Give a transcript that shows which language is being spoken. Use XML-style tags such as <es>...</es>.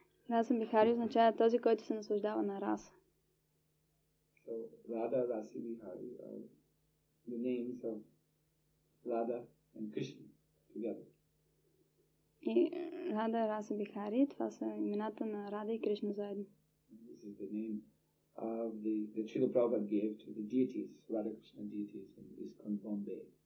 <bg>Rasa Bihari означава този, който се наслаждава на раса.</bg> <en>So Radha, Rasa Bihari are the names of Radha and Krishna together.</en> <bg>И Radha, Rasa Bihari, това са имената на Radha и Krishna заедно.</bg> <en>This is the name of the Srila Prabhupada gave to the deities, Radha Krishna deities in ISKCON Bombay.</en>